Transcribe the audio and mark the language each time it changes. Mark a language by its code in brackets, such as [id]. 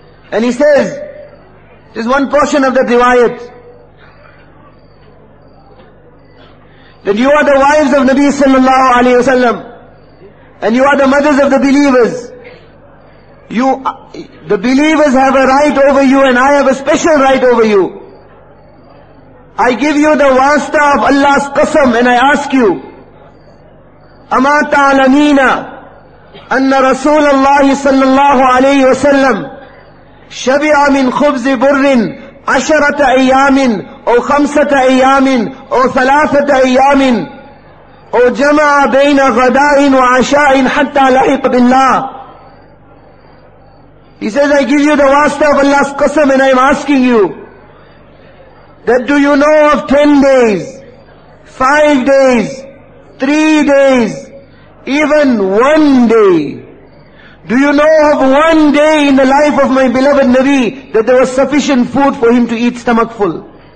[en] And he says, this one portion of that riwayat, that you are the wives of Nabi sallallahu alayhi wa sallam, and you are the mothers of the believers. The believers have a right over you, and I have a special right over you. I give you the wasta of Allah's qasam, and I ask you, [ar] أَمَا تَعْلَمِينَ أَنَّ رَسُولَ اللَّهِ صَلَّى اللَّهُ عَلَيْهِ وَسَلَّمْ شَبِعَ مِنْ خُبْزِ بُرٍ عَشَرَةَ أَيَّامٍ أَوْ خَمْسَةَ أَيَّامٍ أَوْ ثَلَاثَةَ أَيَّامٍ أَوْ جَمَعَ بَيْنَ غَدَاءٍ وَعَشَاءٍ حَتَّى لَحِقَ بِاللَّهِ. [en] He says, I give you the wasta of Allah's qasam, and I am asking you, that do you know of 10 days, 5 days, 3 days, even 1 day? Do you know of 1 day in the life of my beloved Nabi that there was sufficient food for him to eat stomach full?